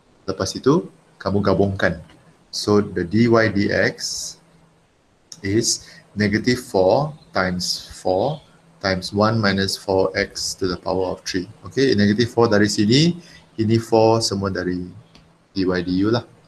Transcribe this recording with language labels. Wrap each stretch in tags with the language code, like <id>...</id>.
<ms>Lepas itu, kamu gabungkan.</ms> <en>So the dy dx is negative 4 times 4 times 1 minus 4x to the power of 3.</en> <ms>Okay, negative 4 dari sini, ini 4 semua dari dy du lah.</ms>